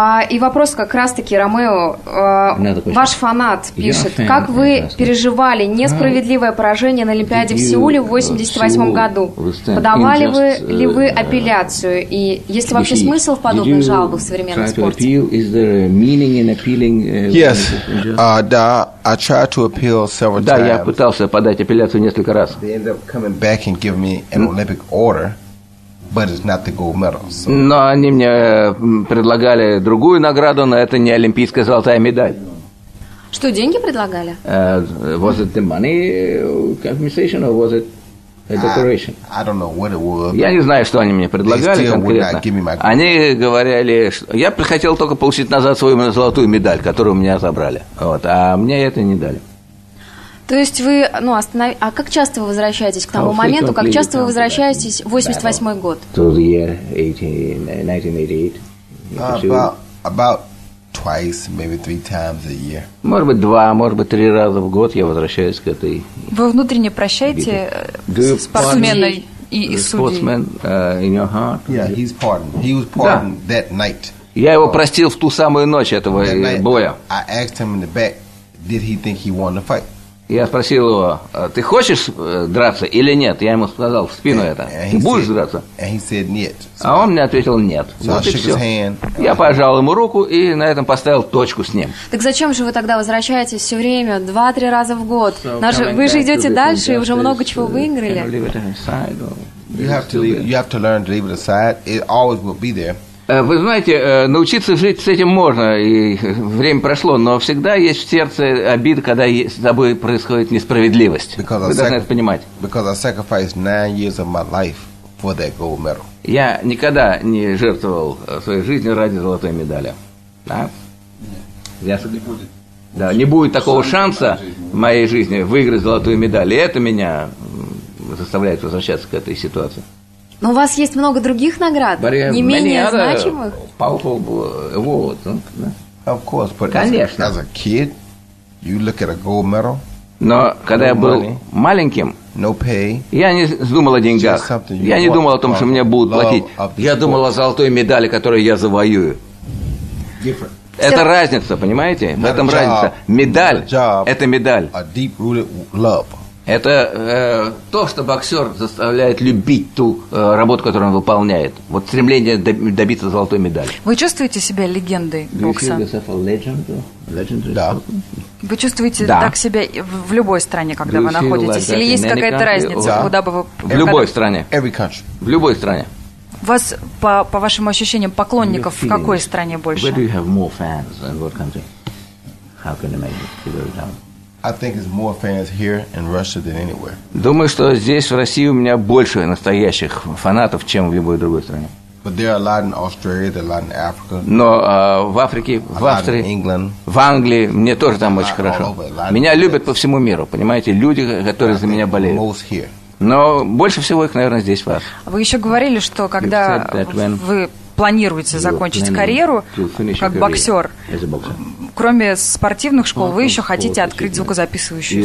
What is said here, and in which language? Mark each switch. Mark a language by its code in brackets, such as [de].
[ru] И вопрос как раз-таки, Ромео, ваш фанат пишет, как вы переживали несправедливое поражение на Олимпиаде в Сеуле в 1988 году? Подавали ли вы апелляцию? И есть ли вообще смысл в подобных жалобах в современном спорте? [en] Yes. Да, I tried to appeal several times. [ru] Я пытался подать апелляцию несколько раз. [en] They ended up coming back and giving me an Olympic order. But it's not the gold medal, so. [ru] Но они мне предлагали другую награду, но это не олимпийская золотая медаль. Что, деньги предлагали? [en] Was it the money compensation or was it a decoration? I don't know what it was. [ru] Я не знаю, что они мне предлагали конкретно. Они говорили, что я хотел только получить назад свою золотую медаль, которую у меня забрали. Вот. А мне это не дали. То есть вы, ну, а как часто вы возвращаетесь к тому моменту, как часто вы возвращаетесь в 88 год? [en] To the year 1988. About twice, maybe three times a year. [ru] Может быть, два, может быть, три раза в год я возвращаюсь к этой... Вы внутренне прощаете спортсмена и судьи? [en] Yeah, he's pardoned. He was pardoned that night. [ru] Я его простил в ту самую ночь этого боя. [en] I asked him in the back, did he think he won the fight? [ru] Я спросил его, ты хочешь драться или нет? Я ему сказал в спину это. Ты будешь драться? [en] Said, [ru] а он мне ответил нет. [en] So [ru] вот и все. Я пожал ему руку и на этом поставил точку с ним. Так зачем же вы тогда возвращаетесь все время, 2-3 раза в год? So же, вы же идете дальше и уже много чего выиграли. Вы знаете, научиться жить с этим можно, и время прошло, но всегда есть в сердце обида, когда с тобой происходит несправедливость. [en] Because [ru] вы должны это понимать. [en] Because I sacrificed 9 years of my life for that gold medal. [ru] Я никогда не жертвовал своей жизнью ради золотой медали. Да? Нет. Я... Не будет. Да, не будет такого шанса в моей жизни выиграть золотую медаль. И это меня заставляет возвращаться к этой ситуации. Но у вас есть много других наград, не менее значимых. [en] Powerful awards, of course, but конечно. As a kid, you look at a gold medal. [ru] Но когда я был маленьким, [en] no pay, [ru] я не думал о деньгах. Я не думал о том, что мне будут платить. Я думал о золотой медали, которую я завоюю. [en] Different. [ru] Это разница, понимаете? В этом разница. Медаль, это медаль. [en] A deep-rooted love. [ru] Это то, что боксер заставляет любить ту работу, которую он выполняет. Вот стремление добиться золотой медали. Вы чувствуете себя легендой бокса? Да. Вы чувствуете так себя в любой стране, когда вы находитесь? Или есть какая-то разница, куда бы вы... В любой стране. [en] Every country. [ru] В любой стране. У вас, по вашим ощущениям, поклонников в какой стране больше? [en] Where do you have more fans in what country? How can you make it to go down? I think it's more fans here in Russia than anywhere. [ru] Думаю, что здесь в России у меня больше настоящих фанатов, чем в любой другой стране. [en] But there are a lot in Australia, there are a lot in Africa. [ru] Но в Африке, в Австрии, [en] England, [ru] в Англии мне тоже там очень хорошо. Меня любят по всему миру, понимаете, люди, которые за меня болеют. [en] Most here. [ru] Но больше всего их, наверное, здесь в вас. Вы еще говорили, что когда вы планируете закончить карьеру как боксер, кроме спортивных школ, вы еще хотите открыть звукозаписывающую